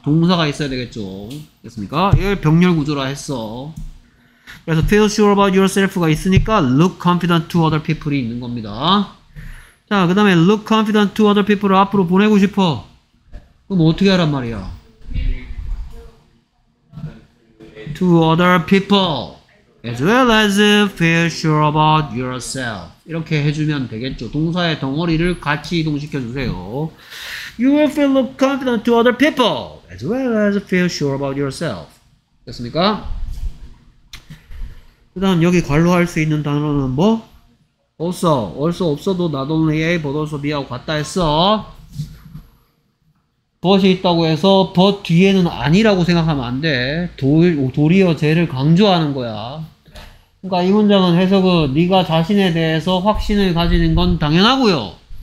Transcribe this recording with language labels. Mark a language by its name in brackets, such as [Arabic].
[Korean] 동사가 있어야 되겠죠. 됐습니까? 이걸 병렬 구조라 했어. 그래서 [English] feel sure about yourself [Korean] 가 있으니까 [English] look confident to other people [Korean] 이 있는 겁니다. 자, 그 다음에 [English] look confident to other people [Korean] 을 앞으로 보내고 싶어. 그럼 어떻게 하란 말이야? [English] To other people as well as feel sure about yourself. [Korean] 이렇게 해주면 되겠죠. 동사의 덩어리를 같이 이동시켜주세요. [English] You will feel look confident to other people as well as feel sure about yourself. [Korean] 됐습니까? 그 다음 여기 관로할 수 있는 단어는 뭐? [English] Also. Also [Korean] 없어도 [English] not only A but also B [Korean] 하고 같다 했어. But이 있다고 해서 but 뒤에는 아니라고 생각하면 안 돼. 도리어 쟤를 강조하는 거야. 그러니까 이 문장은 해석은 네가 자신에 대해서 확신을 가지는 건 당연하고요.